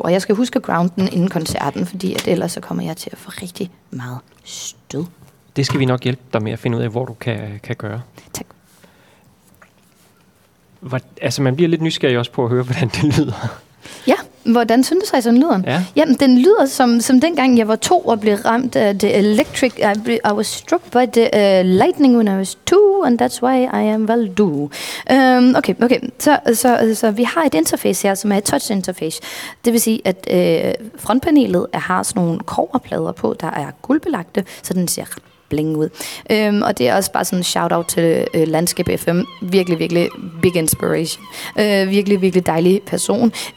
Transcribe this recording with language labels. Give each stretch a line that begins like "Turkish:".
Danish: Og jeg skal huske grounden inden koncerten, fordi at ellers så kommer jeg til at få rigtig meget stød. Det skal vi nok hjælpe dig med at finde ud af, hvor du kan gøre. Tak. Altså, man bliver lidt nysgerrig også på at høre, hvordan det lyder. Ja. Hvordan synthesizeren lyder? Ja. Jamen, den lyder som dengang, jeg var to og blev ramt af
English: the electric. I was struck by the lightning when I was two, and that's why I am Waldo.
Danish: Okay. Så vi har et interface her, som er et touch interface. Det vil sige, at frontpanelet har sådan nogle kobberplader på, der er guldbelagte, så den ser ret bling ud. Og det er også bare sådan en shout-out til Landskab FM. Virkelig, virkelig
English: big inspiration.
Danish: Virkelig, virkelig dejlig person.